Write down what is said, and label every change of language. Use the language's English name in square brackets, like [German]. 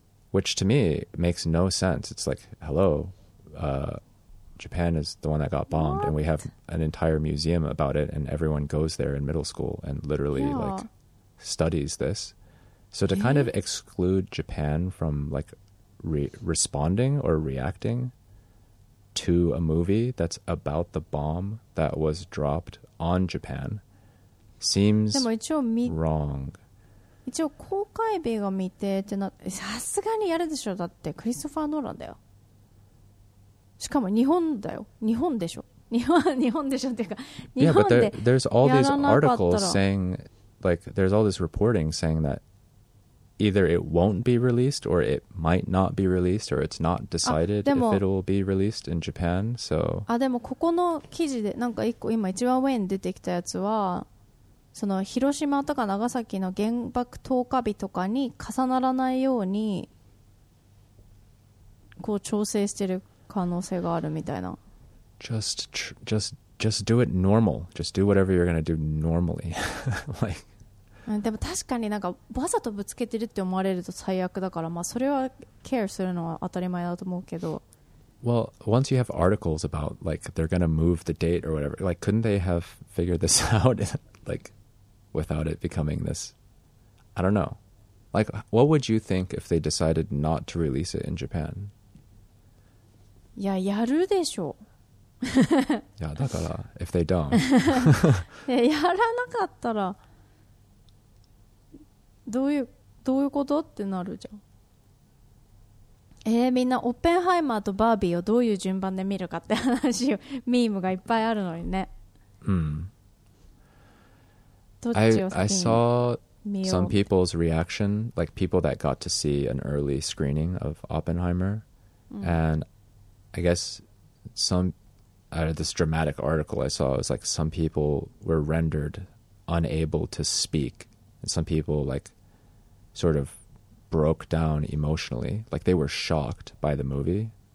[English] Which to me makes no sense. It's like, hello, Japan is the one that got bombed, and we have an entire museum about it, and everyone goes there in middle school and literally like studies this. So to kind of exclude Japan from like responding or reacting to a movie that's about the bomb that was dropped on Japan seems wrong. [Japanese] 一応公開日が未定ってな、さすがにやるでしょ。だってクリストファー・ノーランだよ。しかも日本だよ。日本でしょ。日本でしょっていうか、日本でやらなかったら。 [English] Yeah, but there's all these articles saying,Like, there's all this reporting saying that either it won't be released or it might not be released or it's not decided if it'll be released in Japan, so... [Japanese] あ、でもここの記事でなんか一個今一番上に出てきたやつはその広島とか長崎の原爆投下日とかに重ならないようにこう調整してる可能性があるみたいな [English] Just do it normal. Just do whatever you're gonna do normally. like, [Japanese] でも確かになんかわざとぶつけてるって思われると最悪だから、まあそれはケアするのは当たり前だと思うけど。 [English] Well, once you have articles about like they're gonna move the date or whatever, like couldn't they have figured this out like without it becoming this? I don't know. Like, what would you think if they decided not to release it in Japan? [Japanese] いや、やるでしょ。いやだから [English] if they don't [Japanese] やらなかったらどういうことってなるじゃん。みんなオッペンハイマーとバービーをどういう順番で見るかって話をミームがいっぱいあるのにね。どっちを先に [English] I saw some people's reaction like people that got to see an early screening of Oppenheimer、and I guess someOut of this dramatic article I saw, it was like some people were rendered unable to speak, and some people like sort of broke down emotionally, like they were shocked by the movie.